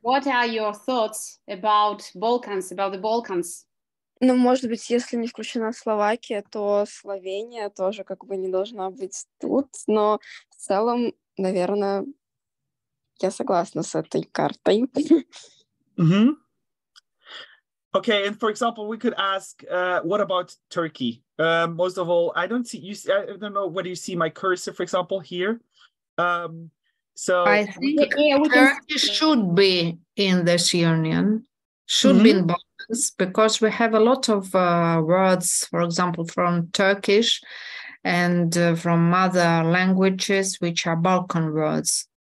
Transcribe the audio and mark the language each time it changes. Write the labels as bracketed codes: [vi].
[en] What are your thoughts about Balkans, about the Balkans? [ru] Ну, может быть, если не включена Словакия, то Словения тоже как бы не должна быть тут. Но в целом, наверное, я согласна с этой картой. [en] Mm-hmm. Okay, and for example, we could ask, what about Turkey? Most of all, I don't know whether you see my cursor, for example, here. So I think Turkey should be in this union, should mm-hmm. be in Balkans, because we have a lot of words, for example, from Turkish and from other languages, which are Balkan words.